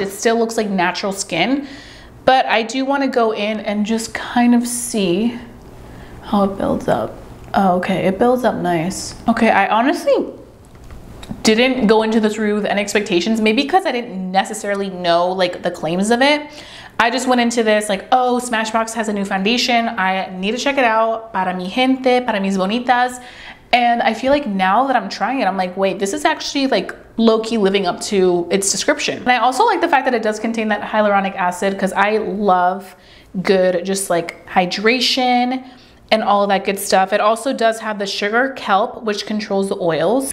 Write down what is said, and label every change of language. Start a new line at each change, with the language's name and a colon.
English: It still looks like natural skin, but I do want to go in and just kind of see how it builds up. Oh, okay, it builds up nice. Okay, I honestly didn't go into this review with any expectations, maybe because I didn't necessarily know like the claims of it. I just went into this like, oh, Smashbox has a new foundation. I need to check it out.
Spanish: Para mi gente, para mis bonitas.
English: And I feel like now that I'm trying it, I'm like, wait, this is actually like low-key living up to its description. And I also like the fact that it does contain that hyaluronic acid because I love good just like hydration and all of that good stuff. It also does have the sugar kelp, which controls the oils.